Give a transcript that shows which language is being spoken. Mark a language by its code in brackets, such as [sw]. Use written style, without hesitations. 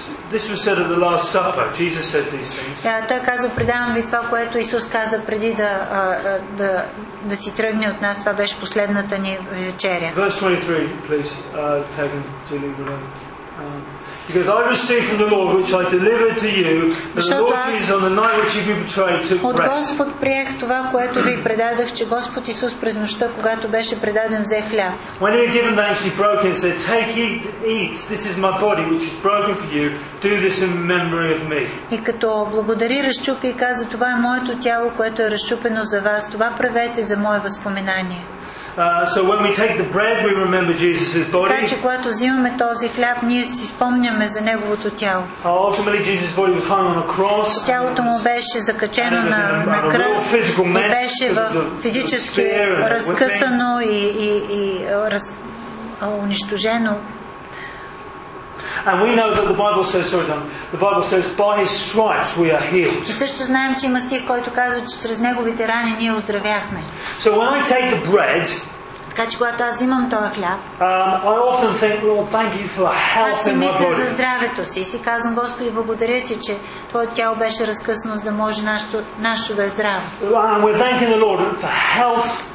[en] This was said at the Last Supper. Jesus said these things. [bg] Той казва, предавам ви това, което Исус каза преди да да си тръгне от нас. Това беше последната ни вечеря. [en] Verse 23, please. Take and deliver them. Because I received from the Lord, which I delivered to you, that the Lord Jesus, on the night which he was betrayed, took bread. [bg] От Господ приех това, което ви предадох, че Господ Исус през нощта, когато беше предаден, взе хляб. [en] When he had given thanks, he broke and said, "Take, eat. This is my body, which is broken for you. Do this in memory of me." [bg] И като благодари, разчупи и каза, това е моето тяло, което е разчупено за вас. Това правете за мое възпоменание. [en] So when we take the bread, we remember Jesus' body. [bg] Така че когато взимаме този хляб, ние си спомняме за неговото тяло. [en] Ultimately, Jesus' body was hung on a cross. [bg] Тялото му беше закачено на кръст. И беше физически разкъсано и унищожено. [en] And we know that the Bible says, the Bible says, by his stripes we are healed. [bg] И също знаем, че има стих, който казва, че чрез неговите рани ние оздравяхме. [en] So when I take the bread, [bg] така че когато аз взимам този хляб, [en] I often think, Lord, thank you for health in my body. [bg] Аз си мисля за здравето си и си казвам, Господи, благодаря ти, че твоето тяло беше разкъсно, за да може нашето да е здраво. [en] We're thanking the Lord for health.